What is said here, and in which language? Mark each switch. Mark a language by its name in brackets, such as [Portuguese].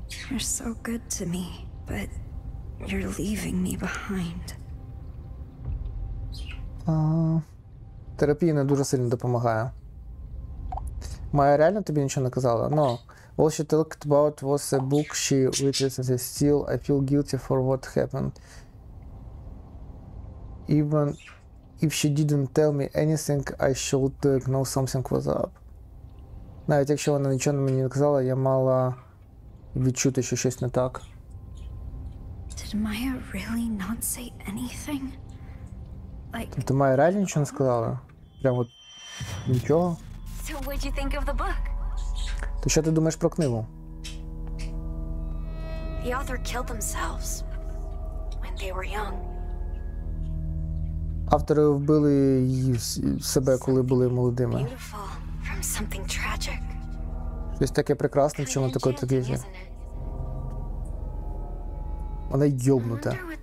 [English] You're so good to me, but you're leaving me behind. [Ukrainian] Терапія не дуже сильно допомагає. Майя реально тобі нічого не казала? [English] No. All she talked about was a book she reads and still I feel guilty for what happened. Even if she didn't tell me anything, I should know something was up. [Ukrainian] Навіть якщо вона нічого мені не казала, я мала... відчути, що щось не так. [English] Did Maya really not say anything? Like... [Ukrainian] Тобто Майя реально нічого не сказала? Прямо от... нічого? [English] So what'd you think of the book? [Ukrainian] То що ти думаєш про книгу? [English] The author killed themselves when they were young. [Ukrainian] Автори вбили її, себе, коли були молодими. [English] From something tragic. [Ukrainian] Щось таке прекрасне, в чому такої трагедії. Вона йобнута.